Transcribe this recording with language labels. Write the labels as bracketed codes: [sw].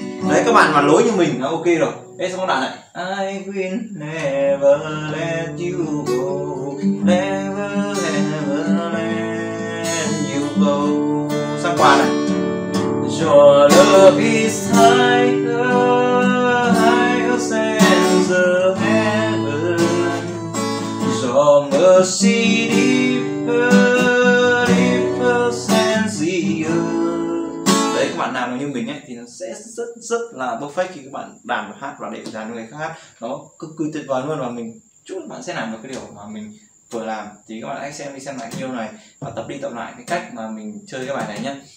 [vi] Đấy, các bạn mà lối như mình là ok rồi. Đấy, xong đoạn này. [en] I will never let you go, never ever let you go. [vi] Sắp qua này. [en] Your love is higher, higher than the heaven. Your mercy deeper, deeper than the earth. [vi] Đấy, các bạn làm như mình ấy thì nó sẽ rất rất là perfect khi các bạn đàn và hát và để đàn người khác hát, nó cực kỳ tuyệt vời luôn. Và mình chúc các bạn sẽ làm được cái điều mà mình vừa làm. Thì các bạn hãy xem lại video này và tập đi tập lại cái cách mà mình chơi cái bài này nhé.